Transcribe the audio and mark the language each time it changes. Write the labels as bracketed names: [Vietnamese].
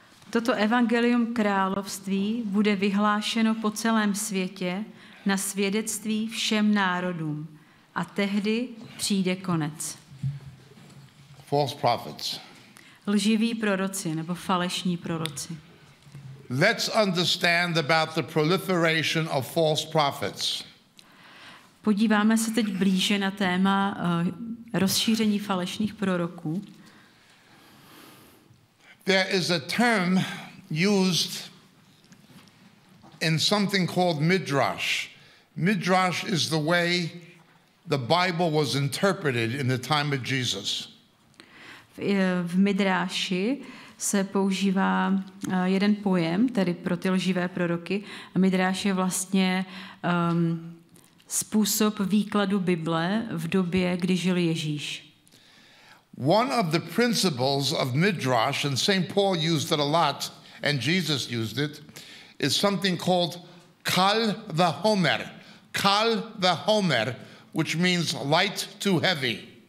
[Czech] Toto evangelium království bude vyhlášeno po celém světě na svědectví všem národům. A tehdy přijde konec. [English] False prophets. [Czech] Lživí proroci nebo falešní proroci. [English] Let's understand about the proliferation of false prophets. [Czech] Podíváme se teď blíže na téma rozšíření falešných proroků. [English] There is a term used in something called Midrash. Midrash is the way the Bible was interpreted in the time of Jesus. [Czech] V Midráši se používá jeden pojem, tedy pro ty lživé proroky. Midráš je vlastně způsob výkladu Bible v době, kdy žil Ježíš. [English] One of the principles of Midrash, and St. Paul used it a lot, and Jesus used it, is something called Kal Vahomer. Kal Vahomer, which means light too heavy.